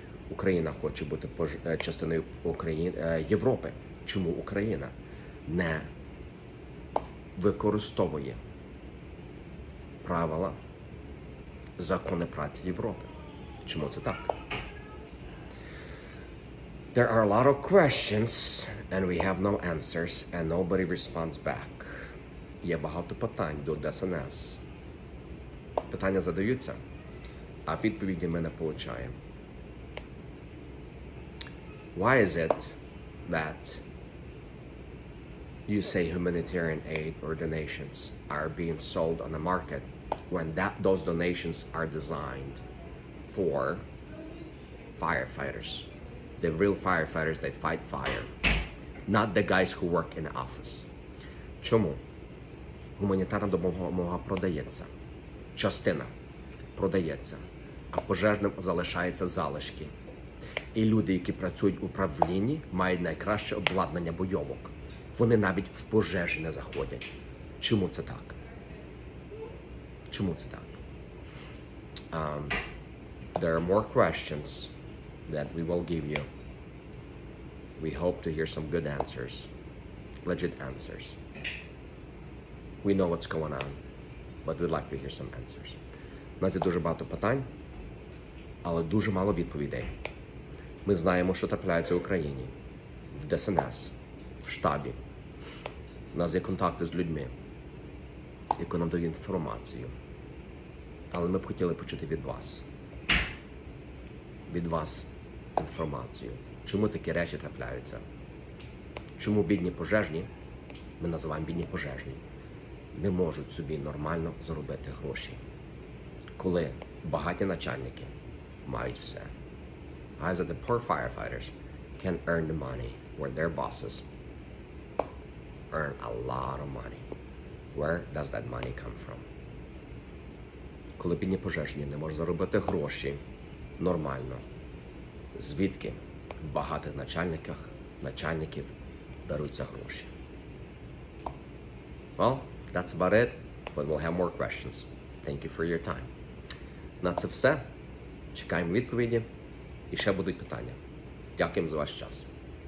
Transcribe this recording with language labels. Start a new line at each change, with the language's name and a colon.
Ukrainian: Україна хоче бути частиною Європи. Чому Україна не використовує правила, закони праці Європи? Чому це так?
English: There are a lot of questions and we have no answers and nobody responds back.
Ukrainian: Є багато питань до ДСНС. Питання задаються, а відповіді ми не получаємо.
English: Why is it that you say humanitarian aid or donations are being sold on the market when that those donations are designed for firefighters, the real firefighters that fight fire, not the guys who work in the office?
Ukrainian: Чому гуманітарна допомога продається? Частина продається, а пожежним залишаються залишки. І люди, які працюють у управлінні, мають найкраще обладнання бойовок. Вони навіть в пожежі не заходять. Чому це так? Чому це так?
English: There are more questions that we will give you. We hope to hear some good answers, legit answers. We know what's going on, but we'd like to hear some answers.
Ukrainian: У нас є дуже багато питань, але дуже мало відповідей. Ми знаємо, що трапляється в Україні, в ДСНС, в штабі. У нас є контакти з людьми, які нам дають інформацію. Але ми б хотіли почути від вас. Від вас інформацію. Чому такі речі трапляються? Чому бідні пожежні, ми називаємо бідні пожежні, не можуть собі нормально заробити гроші? Коли багаті начальники мають все.
English: How is it the poor firefighters can earn the money where their bosses earn a lot of money? Where does that money come from?
Ukrainian: Коли бідні пожежні не можуть заробити гроші нормально, звідки в багатих начальниках, начальників беруться гроші?
English: Well, that's about it, but we'll have more questions. Thank you for your time.
Ukrainian: На це все. Чекаємо відповіді. І ще будуть питання. Дякуємо за ваш час.